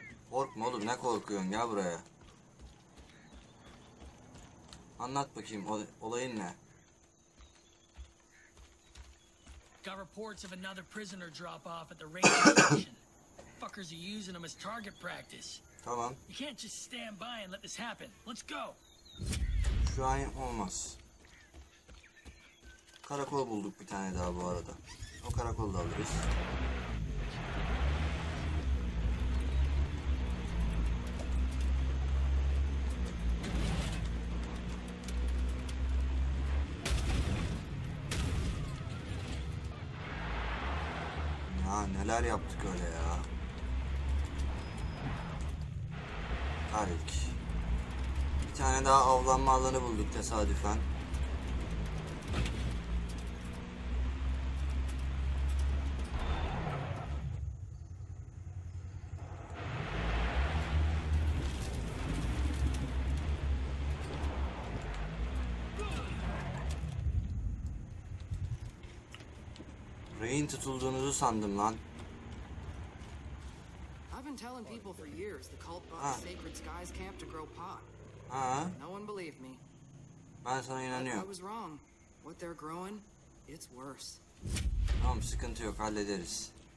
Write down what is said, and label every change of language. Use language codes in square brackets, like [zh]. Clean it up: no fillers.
[tr] Korkma oğlum, ne korkuyorsun, gel buraya. Anlat bakayım, olayın ne? [en] Got reports of another prisoner drop off at the ranger station. Fuckers are using them as target practice. [tr] Tamam. [en] You can't just stand by and let this happen. Let's go. [tr] Şu an olmaz. Karakol bulduk bir tane daha bu arada. O karakolu da alırız. [en] Thank you. [tr] neler yaptık öyle ya. Tarık. Bir tane daha avlanma alanı bulduk tesadüfen. Rain tutulduğunuzu sandım lan. [en] I've been telling people for years the cult bought the sacred skies camp to grow pot. No one believed me. [tr] Ben sana inanıyorum. [en] I was wrong. What they're growing, it's worse. [tr] Tamam, sıkıntı yok, hallederiz.